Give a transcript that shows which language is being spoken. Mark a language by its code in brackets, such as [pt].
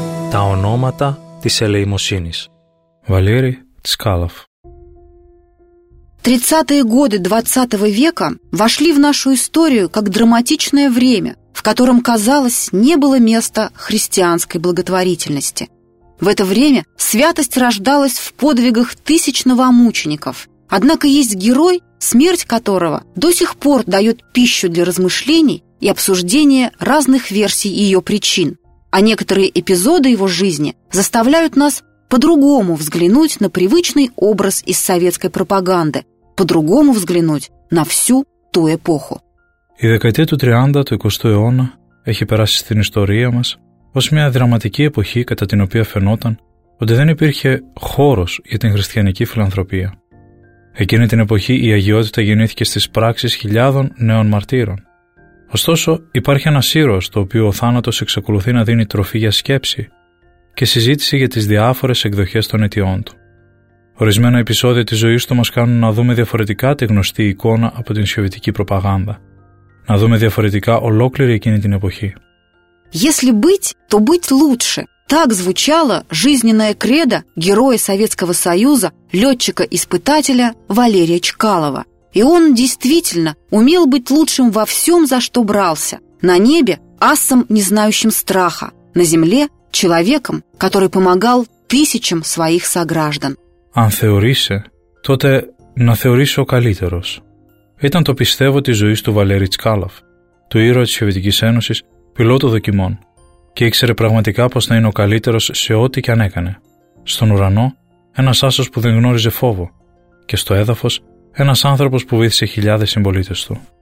[el] Τα ονόματα της ελεημοσύνης. [ru] Валерий Цкалов. 30-е годы 20 века вошли в нашу историю как драматичное время, в котором, казалось, не было места христианской благотворительности. В это время святость рождалась в подвигах тысяч новомучеников. Однако есть герой, смерть которого до сих пор дает пищу для размышлений и обсуждения разных версий ее причин. А некоторые эпизоды его жизни заставляют нас по-другому взглянуть на привычный образ из советской пропаганды, по-другому взглянуть на всю ту эпоху. [el] Η δεκαετία του 30 του 20ου αιώνα έχει περάσει στην ιστορία μας ως μια δραματική εποχή κατά την οποία φαινόταν ότι δεν υπήρχε χώρος για την χριστιανική φιλανθρωπία. Εκείνη την εποχή η αγιότητα γεννήθηκε στις πράξεις χιλιάδων νέων μαρτύρων. Ωστόσο, υπάρχει ένας ήρωας το οποίο ο θάνατος εξακολουθεί να δίνει τροφή για σκέψη και συζήτηση για τις διάφορες εκδοχές των αιτιών του. Ορισμένα επεισόδια της ζωής του μας κάνουν να δούμε διαφορετικά τη γνωστή εικόνα από την σοβιετική προπαγάνδα. Να δούμε διαφορετικά ολόκληρη εκείνη την εποχή. [ru] «Если быть, то быть лучше» – так звучала жизненная кредо героя Советского Союза, летчика-испытателя Валерия Чкалова. И он действительно умел быть лучшим во всем, за что брался. На небе – асом, не знающим страха, на земле – человеком, который помогал тысячам своих сограждан. [el] Αν θεωρήσε, τότε να θεωρήσω ο καλύτερος. Ήταν το πιστεύω της ζωής του Βαλέρη Τσκάλαφ, του ήρωα της Σοβιετικής Ένωσης, πιλότο δοκιμών, και ήξερε πραγματικά πως να είναι ο καλύτερος σε ό,τι και αν έκανε. Στον ουρανό, ένας άσος που δεν γνώριζε φόβο, και στο έδαφος ένας άνθρωπος που βοήθησε χιλιάδες συμπολίτες του.